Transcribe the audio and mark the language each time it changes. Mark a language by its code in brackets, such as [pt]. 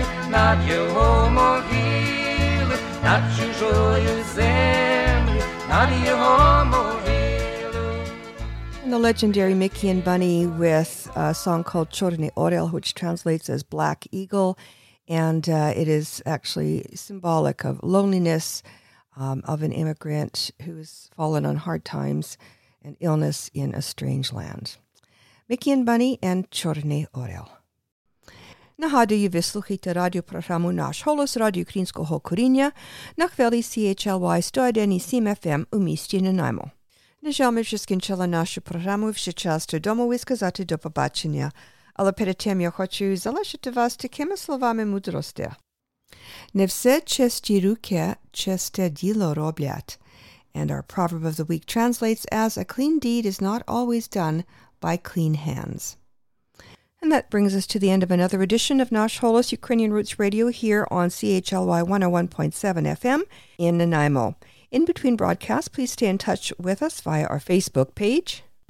[uk] Над його могили, над чужою землю, над його могили. [en] The legendary Mickey and Bunny with a song called Chorny Orel, which translates as Black Eagle, and it is actually symbolic of loneliness of an immigrant who has fallen on hard times and illness in a strange land. Mickey and Bunny and Chorny Orel. [uk] Нагадую, ви слухаєте радіопрограму «Наш голос» Радіо Українського коріння на хвилі CHLY 101.7 FM у місті Нанаймо. На жаль, ми вже скінчили нашу програму, вже час додому і сказати до побачення. Але перед тим я хочу залишити вас такими словами мудрості. Не все честі руки честе діло роблять. [en] And our proverb of the week translates as a clean deed is not always done by clean hands. And that brings us to the end of another edition of Nash Holos Ukrainian Roots Radio here on CHLY 101.7 FM in Nanaimo. In between broadcasts, please stay in touch with us via our Facebook page.